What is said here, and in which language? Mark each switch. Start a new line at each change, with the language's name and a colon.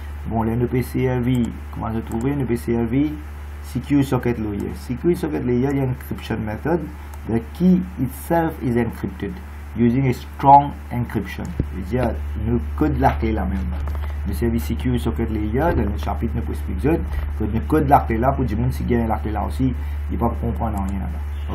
French: Bon, le PCAV, comment se trouver le PCAV?
English: Secure socket layer. Secure socket layer is encryption method. The key itself is encrypted using a strong encryption.
French: C'est-à-dire, le code de la clé là même. Le service secure socket layer, dans le chapitre, nous pouvons expliquer que le code de la clé là, pour du monde, si il y a la clé là aussi, il ne peut pas comprendre rien là-bas.